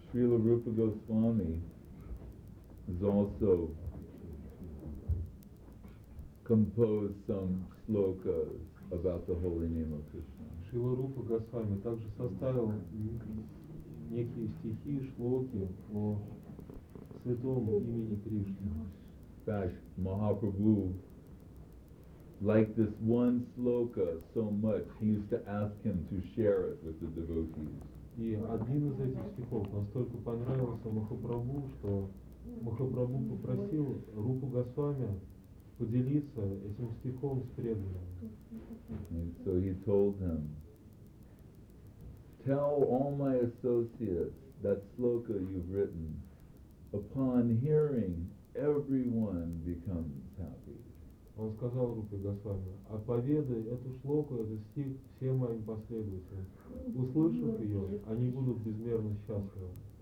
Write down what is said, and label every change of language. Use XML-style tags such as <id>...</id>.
<en>Srila Rupa Goswami has also composed some slokas about the holy name of Krishna.</en> <ru>Srila Rupa Goswami также составил некие стихи, шлоки о святом имени Кришны. Так, Махапрабху</ru> <en>like this one sloka so much, he used to ask him to share it with the devotees.</en> <ru>И один из этих стихов настолько понравился Махапрабху, что Махапрабху попросил Рупу Госвами поделиться этим стихом с преданными.</ru> <en>And so he told him, tell all my associates that sloka you've written, upon hearing, everyone becomes happy.</en> <ru>Он сказал Рупе Госвами, оповедай эту шлоку, этот стих всем моим последователям. Услышав ее, они будут безмерно счастливы.</ru>